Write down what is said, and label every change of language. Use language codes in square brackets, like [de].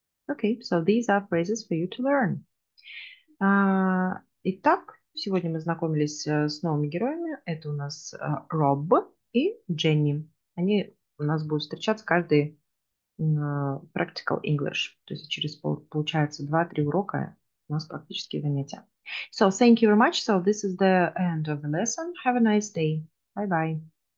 [en] Okay, so these are phrases for you to learn. [ru] Итак, сегодня мы знакомились с новыми героями. Это у нас Роб и Дженни. Они у нас будут встречаться каждый Practical English. То есть через, получается, 2-3 урока у нас практически занятия. [en] So, thank you very much. So, this is the end of the lesson. Have a nice day. Bye-bye.